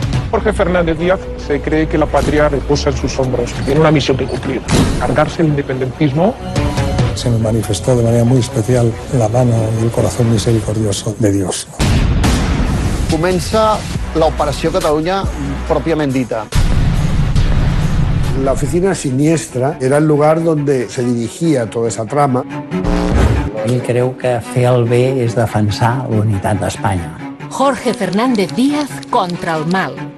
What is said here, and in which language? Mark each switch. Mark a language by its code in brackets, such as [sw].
[es] Jorge Fernández Díaz se cree que la patria reposa en sus hombros. Tiene una misión que cumplir, cargarse el independentismo. Se me manifestó de manera muy especial la mano y el corazón misericordioso de Dios. [ca] Comença l'operació Catalunya pròpiament dita. [es] La oficina siniestra era el lugar donde se dirigía toda esa trama. [ca] Ell creu que fer el bé és defensar l'unitat d'Espanya. [es] Jorge Fernández Díaz contra el mal.